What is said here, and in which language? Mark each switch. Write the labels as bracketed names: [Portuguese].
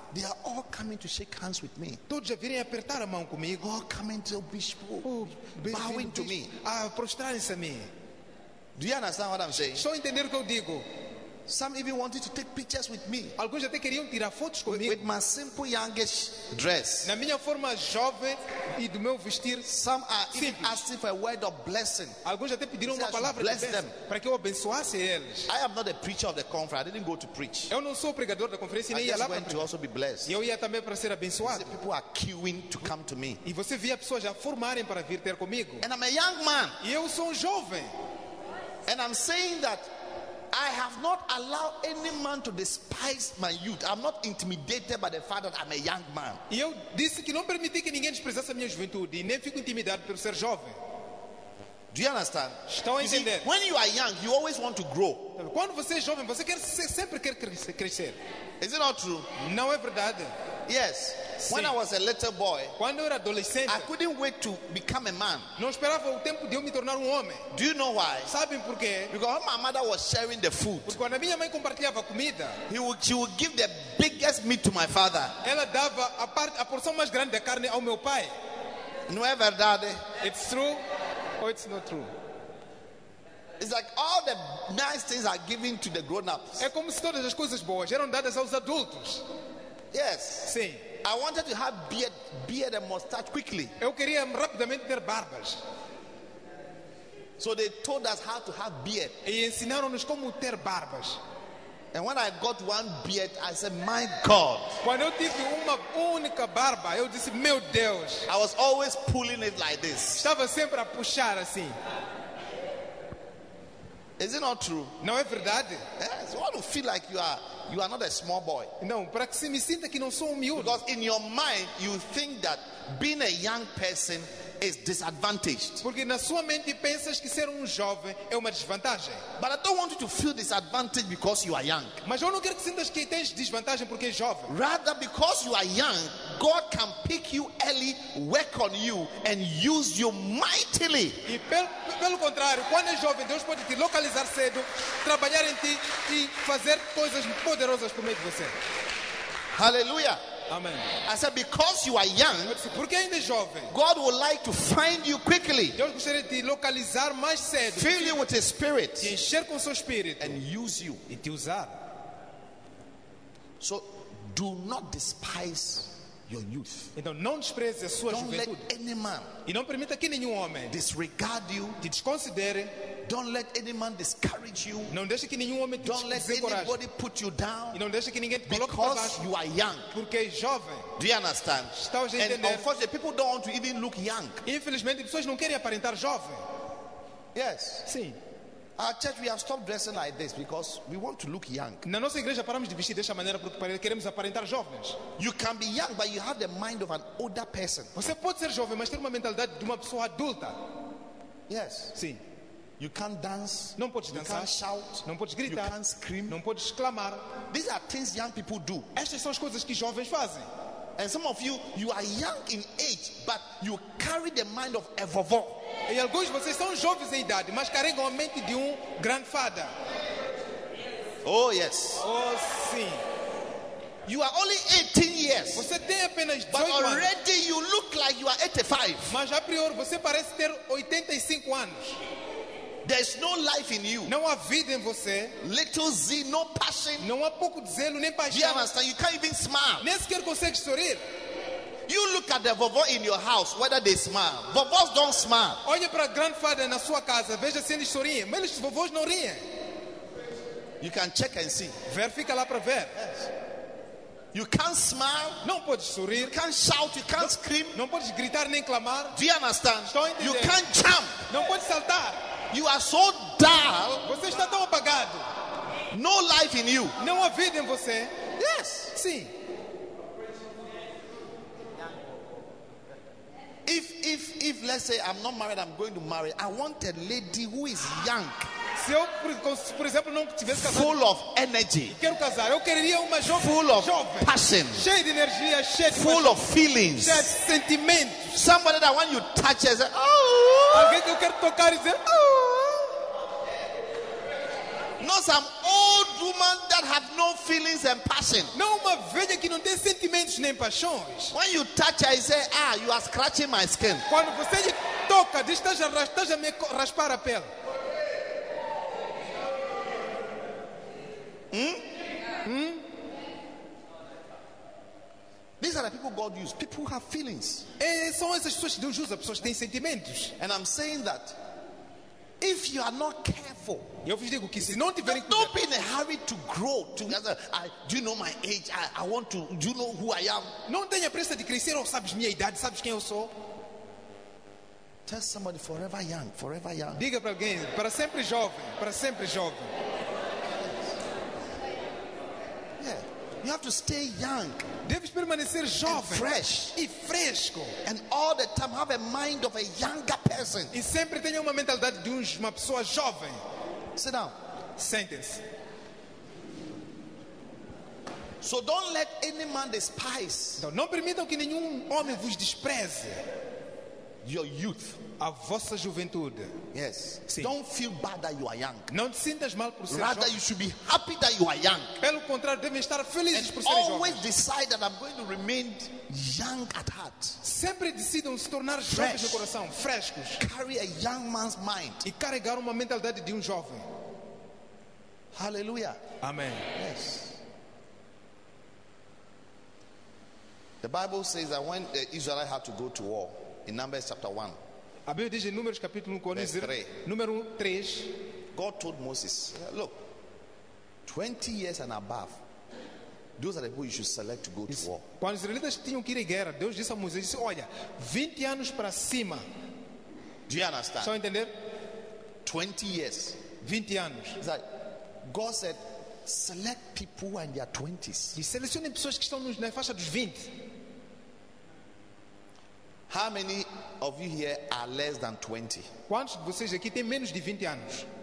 [English] They are all coming to shake hands with me. [Portuguese] Todos já virem apertar a mão comigo. [English] All coming to bispo, bowing to me. [Portuguese] Ah, prostrarem-se a mim. [English] Do you understand what I'm saying? [Portuguese] Só entender o que eu digo. [English] Some even wanted to take pictures with me. [Portuguese] Alguns até queriam tirar fotos comigo. [English] With my simple youngish dress. [Portuguese] Na minha forma jovem e do meu vestir. [English] Some are even asking for a word of blessing. [Portuguese] Alguns até pediram uma palavra de bênção para que eu abençoasse eles. [English] I am not a preacher of the conference. I didn't go to preach. [Portuguese] Eu não sou o pregador da conferência nem ia lá [English] para also be blessed. [Portuguese] Eu ia também para ser abençoado. [English] People are queuing to come to me. [Portuguese] E você via pessoas já formarem para vir ter comigo. [English] And I'm a young man. [Portuguese] E eu sou um jovem. [English] And I'm saying that I have not allowed any man to despise my youth. I'm not intimidated by the fact that I'm a young man. [Portuguese] E eu disse que não permiti que ninguém desprezasse a minha juventude, nem fico intimidado por ser jovem. [English] Do you understand? [Portuguese] Estão entendendo? [English] When you are young, you always want to grow. [Portuguese] Quando você é jovem, você sempre quer crescer. [English] Is it not true? [Portuguese] Não é verdade? [English] Yes. [Portuguese] Sim. [English] When I was a little boy, [Portuguese] quando eu era adolescente, [English] I couldn't wait to become a man. [Portuguese] Não esperava o tempo de eu me tornar homem. [English] Do you know why? [Portuguese] Sabem por quê? [English] Because when my mother was sharing the food, [Portuguese] porque quando a minha mãe compartilhava comida, [English] she would give the biggest meat to my father. [Portuguese] Ela dava a porção mais grande da carne ao meu pai. Não é verdade? [English] It's true or it's not true? It's like all the nice things are given to the grown-ups. [Portuguese] É como se todas as coisas boas eram dadas aos adultos. [English] Yes. [Portuguese] Sim. [English] I wanted to have beard and mustache quickly. [Portuguese] Eu queria rapidamente ter barbas. [English] So they told us how to have beard. [Portuguese] E ensinaram-nos como ter barbas. [English] And when I got one beard, I said, "My God." [Portuguese] Quando eu tive uma única barba, eu disse, "Meu Deus." [English] I was always pulling it like this. [Portuguese] Estava sempre a puxar assim. [English] Is it not true? [Portuguese] Não é verdade? [English] Yes, you want to feel like you are not a small boy. [Portuguese] Não, para que se me sinta que não sou miúdo. [English] Because in your mind, you think that being a young person is disadvantaged. [Portuguese] Porque na sua mente pensas que ser jovem é uma desvantagem. [English] But I don't want you to feel disadvantaged because you are young. [Portuguese] Mas eu não quero que sintas que tens desvantagem porque és jovem. [English] Rather, because you are young, God can pick you early, work on you, and use you mightily. [Portuguese] E pelo contrário, quando és jovem, Deus pode te localizar cedo, trabalhar em ti e fazer coisas poderosas por meio de você. [English] Hallelujah. [Portuguese] Amen. [English] I said, because you are young, [Portuguese] porque ainda jovem, [English] God would like to find you quickly. [Portuguese] Deus gostaria de localizar mais cedo. [English] Fill you with His Spirit. [Portuguese] E encher com seu espírito. [English] And use you. [Portuguese] E te usar. [English] So, do not despise your youth. [Portuguese] Então, não despreze a sua [English] Don't [Portuguese] juventude. [English] Let any man [Portuguese] e não permita que nenhum homem [English] disregard you. [Portuguese] Te desconsidere. [English] Don't let any man discourage you. [Portuguese] Não deixe que nenhum homem te [English] Don't let [Portuguese] desencorage. [English] Anybody put you down. [Portuguese] E não deixe que ninguém te coloque [English] because [Portuguese] para baixo. [English] You are young. [Portuguese] Porque é jovem. [English] Do you understand? [Portuguese] Estás a entender? [English] And unfortunately, people don't want to even look young. [Portuguese] Infelizmente, pessoas não querem aparentar jovem. [English] Yes. [Portuguese] Sim. [English] Our church, we have stopped dressing like this because we want to look young. [Portuguese] Na nossa igreja paramos de vestir dessa maneira porque queremos aparentar jovens. [English] You can be young, but you have the mind of an older person. [Portuguese] Você pode ser jovem, mas ter uma mentalidade de uma pessoa adulta. [English] Yes. [Portuguese] Sim. [English] You can't dance. [Portuguese] Não podes dançar. [English] You can't shout. [Portuguese] Não podes gritar. [English] You can't scream. [Portuguese] Não podes clamar. [English] These are things young people do. [Portuguese] Estas são as coisas que jovens fazem. [English] And some of you are young in age, but you carry the mind of a vovó. [Portuguese] E alguns de vocês são jovens em idade, mas carregam a mente de grandfather. [English] Oh yes. [Portuguese] Oh sim. [English] You are only 18 years. [Portuguese] Você tem apenas 18 anos. [English] But already you look like you are 85. [Portuguese] Mas a priori você parece ter 85 anos. [English] There's no life in you. [Portuguese] Não há vida em você. [English] Little zeal, no passion. [Portuguese] Não há pouco de zelo nem paixão. [English] You understand? You can't even smile. [Portuguese] Nem sequer consegue sorrir. [English] You look at the vovó in your house, whether they smile. Vovós don't smile. [Portuguese] Olhe para a grandfather na sua casa, veja se eles sorriem. Mas os vovós não riem. [English] You can check and see. [Portuguese] Verifica lá para ver. [English] Yes. You can't smile. [Portuguese] Não podes sorrir. [English] You can't shout. You can't scream. [Portuguese] Não podes gritar nem clamar. [English] Do you understand? [Portuguese] Estou entendendo. [English] You can't jump. [Portuguese] Não podes saltar. [English] You are so dull. [Portuguese] Você está tão apagado. [English] No life in you. [Portuguese] Não há vida em você. [English] Yes. [Portuguese] Sim. [English] If let's say I'm not married, I'm going to marry. I want a lady who is young. [Portuguese] Se eu, por exemplo, não tivesse casado, [English] full of energy. [Portuguese] Quero casar. Eu queria uma jovem. [English] Full of [Portuguese] jovem, [English] passion. [Portuguese] Cheia de energia, cheia de [English] full of feelings. [Portuguese] Cheia de sentimentos. [English] Somebody that when you touch is oh. [Portuguese] Alguém que eu quero tocar e dizer [English] Not some old woman that have no feelings and passion. [Portuguese] Não uma velha que não tem sentimentos nem paixões. [English] When you touch her, you say, ah, you are scratching my skin. [Portuguese] Quando você lhe toca, diz, estás a me raspar a pele. [English] These are the people God uses. People who have feelings. [Portuguese] São essas pessoas que Deus usa, pessoas que têm sentimentos. [English] And I'm saying that if you are not careful, [Portuguese] eu vos digo que se não tiverem cuidado, [English] don't be in a hurry to grow together. Do you know my age? I want to. Do you know who I am? [Portuguese] Não tenha pressa de crescer ou sabes minha idade? Sabes quem eu sou? [English] Tell somebody forever young, forever young. [Portuguese] Diga para alguém para sempre jovem, para sempre jovem. [English] You have to stay young. [Portuguese] Deves permanecer jovem. [English] And fresh. [Portuguese] E fresco. [English] And all the time have a mind of a younger person. [Portuguese] E sempre tenha uma mentalidade de uma pessoa jovem. [English] Sit down. Sentence. So don't let any man despise. [Portuguese] Então, não permitam que nenhum homem vos despreze. [English] Your youth. [Portuguese] A vossa juventude. [English] Yes. [Portuguese] Sim. [English] Don't feel bad that you are young. [Portuguese] Não te sintas mal por ser [English] Rather, Rather, you should be happy that you are young. [Portuguese] Pelo contrário, devem estar felizes [English] And [Portuguese] por serem jovens. [English] Always decide that I'm going to remain young at heart. [Portuguese] Sempre decidam se tornar [English] Fresh. [Portuguese] Jovens no coração, frescos. [English] Carry a young man's mind. [Portuguese] E carregar uma mentalidade de jovem. [English] Hallelujah. [Portuguese] Amen. [English] Yes. The Bible says that when the Israelites had to go to war, in Numbers chapter 1. [Portuguese] A Bíblia diz em Números capítulo 1, versículo 3. Número 3. [English] God told Moses, look, 20 years and above, those are the people you should select to go to war. [Portuguese] Quando os israelitas tinham que ir à guerra, Deus disse a Moisés, disse, olha, 20 anos para cima. [English] Do you understand? [Portuguese] Só entender? [English] 20 years. [Portuguese] 20 anos. [English] It's like, God said, select people who are in their 20s. [Portuguese] E selecione pessoas que estão na faixa dos 20. [English] How many of you here are less than 20? [Portuguese] Quantos de vocês aqui têm menos de 20 anos?